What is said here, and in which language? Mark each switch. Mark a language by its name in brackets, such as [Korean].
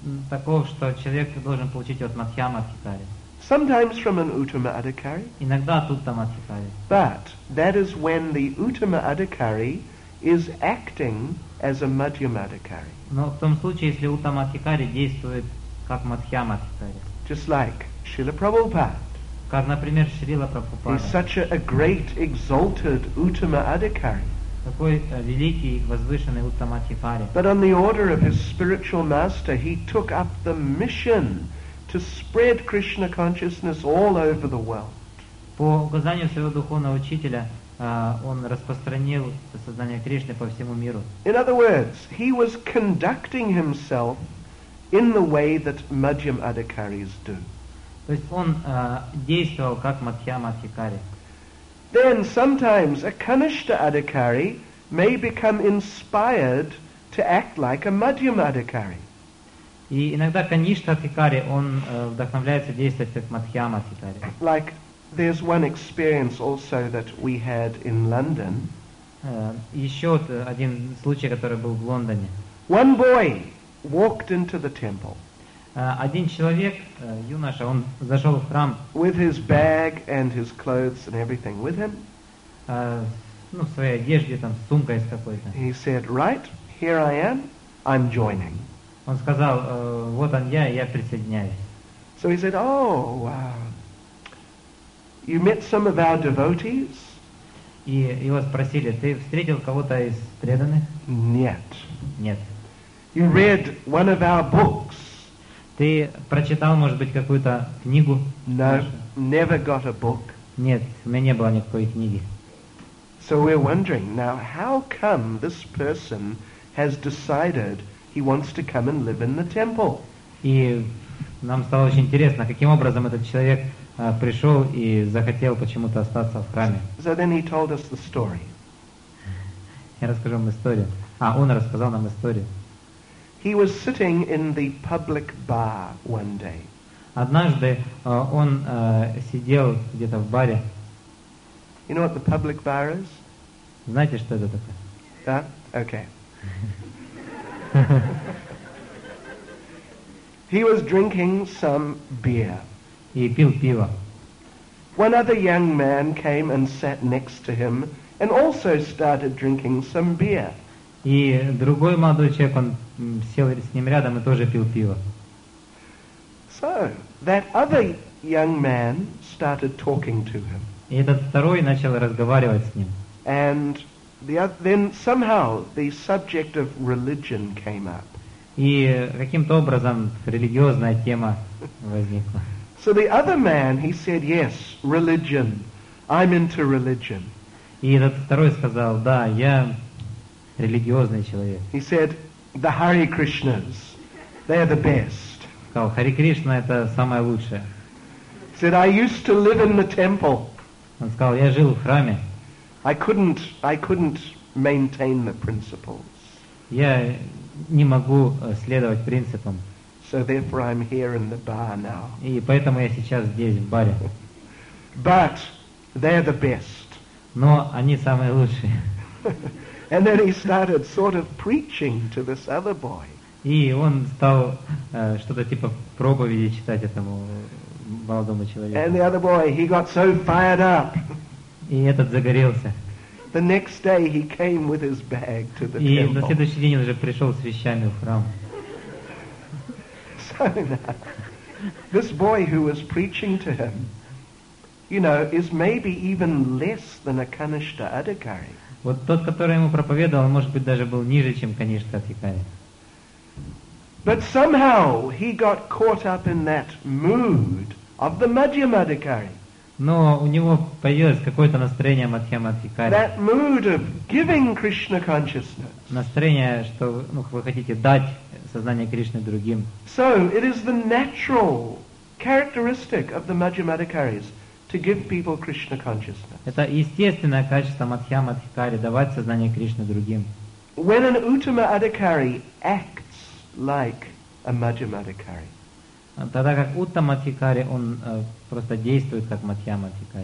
[Russian] такого, что человек должен получить от Мадхьяма Адхикари. [English] Sometimes from an Uttama Adhikari. [Russian] Иногда от Уттама Адхикари. [English] But that is when the Uttama Adhikari is acting as a Madhyama Adhikari. [Russian] Но в том случае, если Уттама Адхикари действует как Мадхьяма Адхикари. [English] Just like Шрила Прабхупада. [Russian] Как, например, Шрила Прабхупада. [English] He's such a great exalted Uttama Adhikari. [Russian] Такой великий, возвышенный Уттама Адхикари. [English] But on the order of his spiritual master, he took up the mission to spread Krishna consciousness all over the world. [Russian] По указанию своего духовного учителя, он распространил сознание Кришны по всему миру. [English] In other words, he was conducting himself in the way that Madhyam Adhikaris do. [Russian] То есть он действовал как Мадхьяма Адхикари. [English] Then sometimes a Kanishta Adhikari may become inspired to act like a Madhyam Adhikari. [Russian] И иногда Каништа Адхикари, он вдохновляется действовать как Мадхьяма Адхикари. [English] Like there's one experience also that we had in London. [Russian] Еще один случай, который был в Лондоне. [English] One boy walked into the temple. [Russian] Один человек, юноша, он зашел в храм. [English] With his bag and his clothes and everything with him. [Russian] Ну, в своей одежде, там, с сумкой какой-то. [English] He said, right, here I am, I'm joining. [Russian] Он сказал, вот он я присоединяюсь. [English] So he said, oh, wow. You met some of our devotees? [Russian] И его спросили, ты встретил кого-то из преданных? Нет. Нет. [English] You read one of our books? [Russian] Ты прочитал, может быть, какую-то книгу? [English] No, never got a book. [Russian] Нет, у меня не было никакой книги. [English] So we're wondering, now, how come this person has decided he wants to come and live in the temple? [Russian] И нам стало очень интересно, каким образом этот человек пришел и захотел почему-то остаться в храме. [English] So then he told us the story. [Russian] Я расскажу вам историю. А, он рассказал нам историю. [English] He was sitting in the public bar one day. [Russian] Однажды он сидел где-то в баре. [English] You know what the public bar is? [Russian] Знаете, что это такое? Да? Okay. [English] He was drinking some beer. [Russian] И пил пиво. [English] One other young man came and sat next to him and also started drinking some beer. [Russian] И другой молодой человек, он сел с ним рядом и тоже пил пиво. [English] So, that other young man started talking to him. [Russian] И этот второй начал разговаривать с ним. [English] And then somehow the subject of religion came up. [Russian] И каким-то образом религиозная тема возникла. [English] So the other man, he said, yes, religion. I'm into religion. [Russian] И этот второй сказал, да, я... Религиозный человек. [English] He said, the Hare Krishnas, they're the best. [Russian] Сказал, Харе Кришна это самое лучшее. [English] Said, I used to live in the temple. [Russian] Он сказал, я жил в храме. [English] I couldn't maintain the principles. [Russian] Я не могу следовать принципам. [English] So therefore I'm here in the bar now. [Russian] И поэтому я сейчас здесь, в баре. [English] But they're the best. [Russian] Но они самые лучшие. [English] And then he started sort of preaching to this other boy. [Russian] И он стал что-то типа проповеди читать этому молодому человеку. [English] And the other boy, he got so fired up. [Russian] И этот загорелся. [English] The next day he came with his bag to the temple. [Russian] И на следующий день он уже пришел с вещами в храм. [English] So now, this boy who was preaching to him, you know, is maybe even less than a Kanishta Adhikari. [Russian] Вот тот, который ему проповедовал, может быть, даже был ниже, чем Каништа Адхикари. [English] But somehow he got caught up in that mood of the Madhyama Adhikari. [Russian] Но у него появилось какое-то настроение Мадхьяма Адхикари. [English] That mood of giving Krishna consciousness. [Russian] Настроение, что ну, вы хотите дать сознание Кришны другим. [English] So it is the natural characteristic of the Madhyama Adhikaris. To give people Krishna consciousness. [Russian] Это естественное качество Мадхьяма Адхикари давать сознание Кришны другим. [English] When an Uttama Adhikari acts like a Madhyama Adhikari. [Russian] Тогда как Уттама Адхикари он просто действует как Мадхьяма Адхикари.